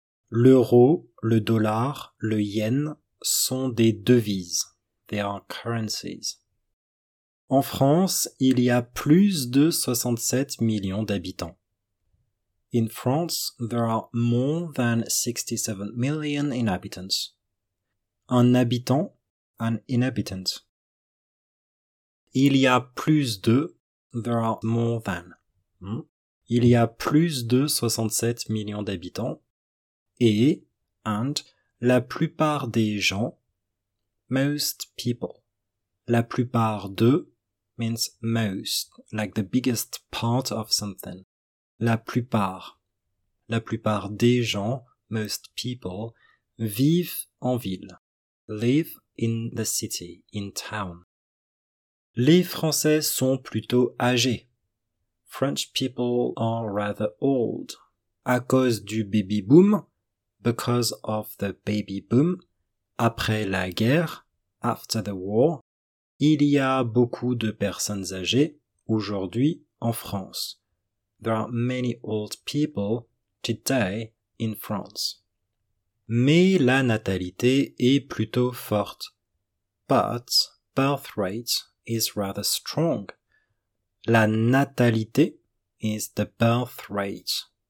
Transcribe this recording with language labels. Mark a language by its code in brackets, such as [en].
[fr] L'euro, le dollar, le yen sont des devises. [en] They are currencies. [fr] En France, il y a plus de 67 millions d'habitants. [en] In France, there are more than 67 million inhabitants. [fr] Un habitant, [en] an inhabitant. [fr] Il y a plus de, [en] there are more than. [fr] Il y a plus de 67 millions d'habitants. Et, [en] and, [fr] la plupart des gens, [en] most people, [fr] la plupart de, [en] means most, like the biggest part of something, [fr] la plupart des gens, [en] most people, [fr] vivent en ville, [en] live in the city, in town. [fr] Les Français sont plutôt âgés, [en] French people are rather old, [fr] à cause du baby boom, [en] because of the baby boom, [fr] après la guerre, [en] after the war, [fr] il y a beaucoup de personnes âgées aujourd'hui en France. [en] There are many old people today in France. [fr] Mais la natalité est plutôt forte. [en] But birth rate is rather strong. [fr] La natalité [en] is the birth rate.